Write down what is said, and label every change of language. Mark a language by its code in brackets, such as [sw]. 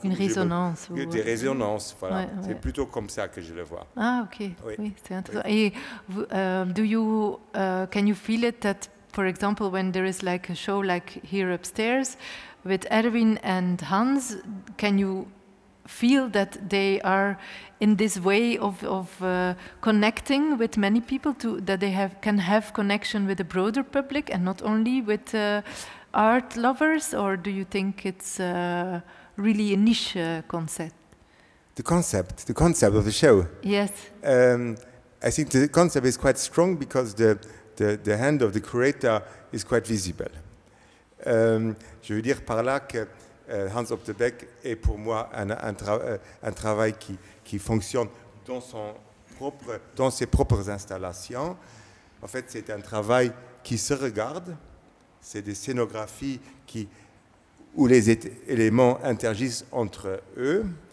[fr] Des résonances, voilà. Ouais. C'est plutôt comme ça que je le vois. Ah, ok. Oui, c'est intéressant. Oui. Et [en] can you feel it that, for example, when there is like a show like here upstairs with Erwin and Hans, can you feel that they are in this way of connecting with many people, to that they can have connection with a broader public and not only with art lovers? Or do you think it's really a niche concept? The concept of the show. Yes. I think the concept is quite strong because the hand of the curator is quite visible. [fr] Je veux dire par là que Hans Op de Beeck est pour moi un travail qui fonctionne dans son dans ses propres installations. En fait, c'est un travail qui se regarde. C'est des scénographies où les éléments interagissent entre eux.